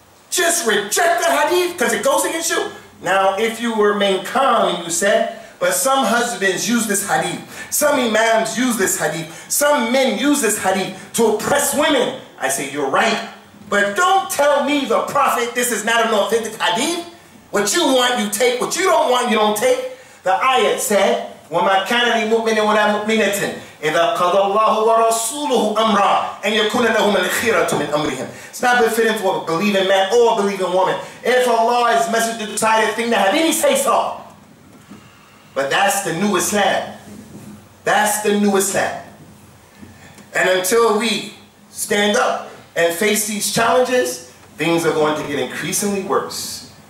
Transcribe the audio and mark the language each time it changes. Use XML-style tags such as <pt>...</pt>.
<en>Just reject the hadith because it goes against you. Now, if you remain calm, you said, but some husbands use this hadith. Some imams use this hadith. Some men use this hadith to oppress women. I say, you're right. But don't tell me, the Prophet, this is not an authentic hadith. What you want, you take. What you don't want, you don't take. The ayat said,</en> <ar>وَمَا كَانَ لِمُؤْمِنٍ وَلَا مُؤْمِنَةٍ إِذَا قَضَى اللَّهُ وَرَسُولُهُ أَمْرًا أَنْ يَكُونَ لَهُمَ الْخِيرَةُ مِنْ أَمْرِهِمْ.</ar> <en>It's not befitting for a believing man or a believing woman. If Allah is messenger to decide a thing, to have any say-so. But that's the new Islam. That's the new Islam. And until we stand up and face these challenges, things are going to get increasingly worse.</en>